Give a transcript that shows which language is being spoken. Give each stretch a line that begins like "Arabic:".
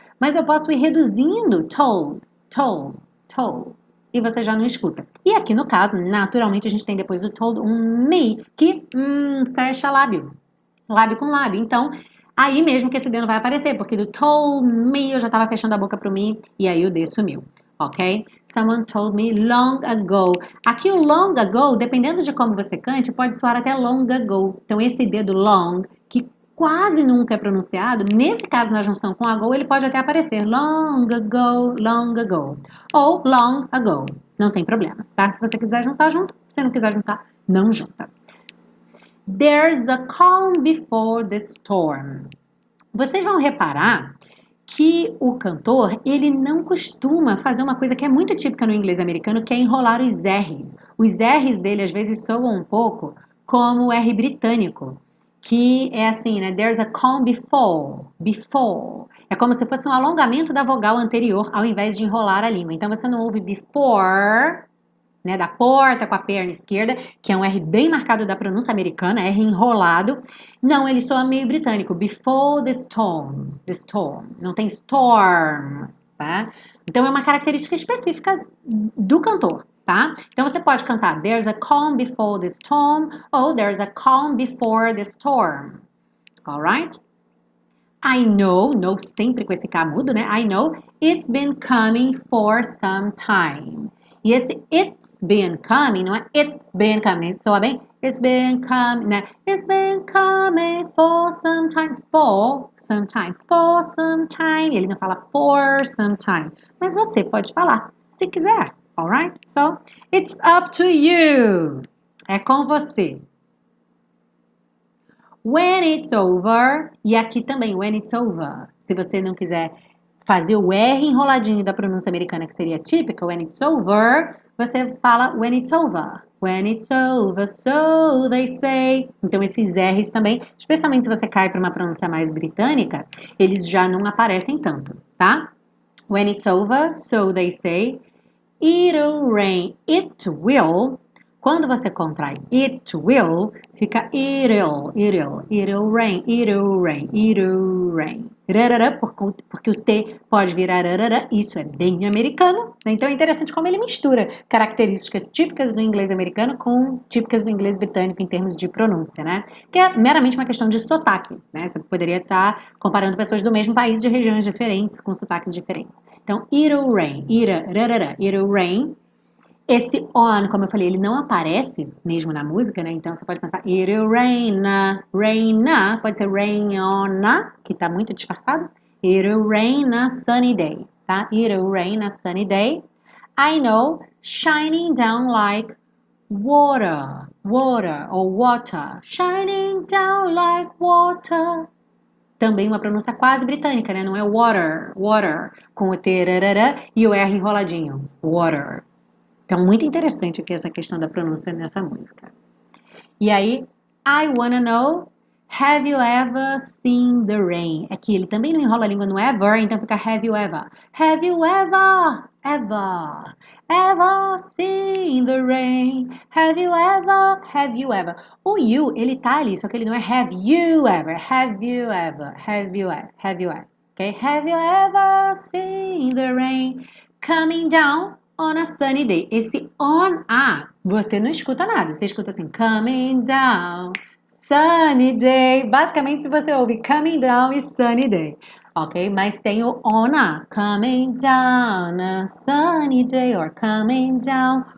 Portuguese: Mas eu posso ir reduzindo,
English: told, told, told,
Portuguese: e você já não escuta. E aqui no caso, naturalmente, a gente tem depois do told um me, que fecha lábio, lábio com lábio. Então, aí mesmo que esse D não vai aparecer, porque do told me eu já tava fechando a boca pro me, e aí o D sumiu. Ok?
English: Someone told me long ago.
Portuguese: Aqui o
English: long ago,
Portuguese: dependendo de como você cante, pode soar até long ago. Então esse D do long, que quase nunca é pronunciado, nesse caso na junção com ago, ele pode até aparecer.
English: Long ago, long ago.
Portuguese: Ou
English: long ago.
Portuguese: Não tem problema, tá? Se você quiser juntar, junto. Se não quiser juntar, não junta.
English: There's a calm before the storm.
Portuguese: Vocês vão reparar que o cantor, ele não costuma fazer uma coisa que é muito típica no inglês americano, que é enrolar os R's. Os R's dele, às vezes, soam um pouco como o R britânico, que é assim, né?
English: There's a calm before, before.
Portuguese: É como se fosse um alongamento da vogal anterior, ao invés de enrolar a língua. Então, você não ouve
English: before,
Portuguese: né? Da porta com a perna esquerda, que é um R bem marcado da pronúncia americana, R enrolado. Não, ele soa meio britânico.
English: Before the storm,
Portuguese: não tem storm, tá? Então é uma característica específica do cantor, tá? Então você pode cantar
English: There's a calm before the storm
Portuguese: ou
English: There's a calm before the storm. All right? I know,
Portuguese: sempre com esse K mudo, né?
English: I know it's been coming for some time.
Portuguese: E esse
English: it's been coming,
Portuguese: não é it's been coming, soa bem?
English: It's been coming,
Portuguese: né?
English: It's been coming for some time, for some time, for some time.
Portuguese: Ele não fala
English: for some time,
Portuguese: mas você pode falar, se quiser,
English: alright? So, it's up to you.
Portuguese: É com você.
English: When it's over,
Portuguese: e aqui também,
English: when it's over,
Portuguese: se você não quiser fazer o R enroladinho da pronúncia americana, que seria típica,
English: when it's over, você
Portuguese: fala when it's over.
English: When it's over, so they say.
Portuguese: Então, esses R's também, especialmente se você cai para uma pronúncia mais britânica, eles já não aparecem tanto, tá?
English: When it's over, so they say. It'll rain. It will.
Portuguese: Quando você contrai
English: it will,
Portuguese: fica
English: it'll, it'll, it'll rain, it'll rain, it'll rain.
Portuguese: Rarara, porque o T pode virar rarara, isso é bem americano. Né? Então é interessante como ele mistura características típicas do inglês americano com típicas do inglês britânico em termos de pronúncia, né? Que é meramente uma questão de sotaque, né? Você poderia estar comparando pessoas do mesmo país de regiões diferentes com sotaques diferentes. Então,
English: it'll rain, ira, rarara, it'll rain.
Portuguese: Esse on, como eu falei, ele não aparece mesmo na música, né? Então você pode pensar
English: It'll rain na, rain na,
Portuguese: pode ser rain on na, que tá muito disfarçado.
English: It'll rain na sunny day,
Portuguese: tá?
English: It'll rain na sunny day. I know, shining down like water, water
Portuguese: ou
English: water. Shining down like water.
Portuguese: Também uma pronúncia quase britânica, né? Não é water, water, com o T rarara e o R enroladinho. Water. Então, muito interessante aqui essa questão da pronúncia nessa música. E aí,
English: I wanna know, have you ever seen the rain?
Portuguese: É que ele também não enrola a língua no ever, então fica
English: have you ever? Have you ever, ever, ever seen the rain? Have you ever, have you ever?
Portuguese: O you, ele tá ali, só que ele não é
English: have you ever, have you ever, have you ever, have you ever. Okay? Have you ever seen the rain coming down? On a sunny day.
Portuguese: Esse
English: on a,
Portuguese: você não escuta nada. Você escuta assim,
English: coming down, sunny day.
Portuguese: Basicamente, você ouve
English: coming down
Portuguese: e
English: sunny day.
Portuguese: Ok? Mas tem o
English: on a. Coming down, a sunny day, or coming down